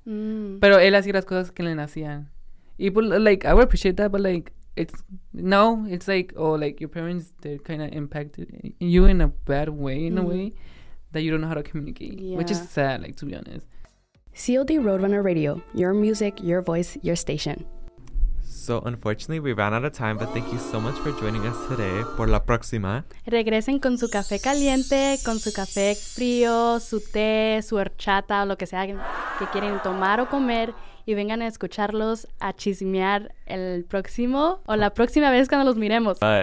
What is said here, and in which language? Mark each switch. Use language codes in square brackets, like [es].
[es] Pero él hacía las cosas que le nacían. [en] Y, like, I would appreciate that, but, like, it's like your parents did kind of impact you in a bad way, in a way. That you don't know how to communicate, which is sad, like, to be honest. CLD Roadrunner Radio, your music, your voice, your station. So, unfortunately, we ran out of time, but thank you so much for joining us today. [es] Por la próxima. Regresen con su café caliente, con su café frío, su té, su horchata, o lo que sea que quieren tomar o comer, y vengan a escucharlos a chismear el próximo, o la próxima vez cuando los miremos.